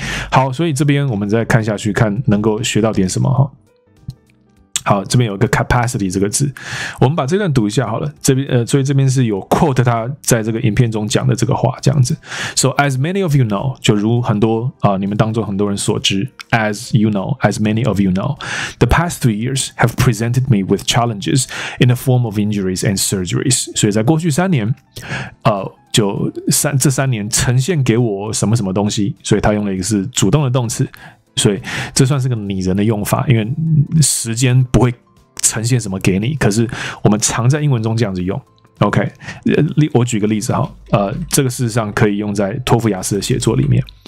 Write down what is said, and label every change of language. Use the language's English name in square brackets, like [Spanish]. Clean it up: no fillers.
[Chinese] 好，所以这边我们再看下去，看能够学到点什么。好，这边有一个 capacity 这个字，我们把这段读一下好了。所以这边是有 quote 他在这个影片中讲的这个话，这样子。 [English] So as many of you know， [Chinese] 就如很多你们当中很多人所知 [English] ，as you know， as many of you know， the past 3 years have presented me with challenges in the form of injuries and surgeries。 [Chinese] 所以在过去三年，这三年呈现给我什么什么东西，所以他用了一个是主动的动词。所以这算是个拟人的用法，因为时间不会呈现什么给你，可是我们常在英文中这样子用。 OK， 我举个例子哈，这个事实上可以用在托福雅思的写作里面。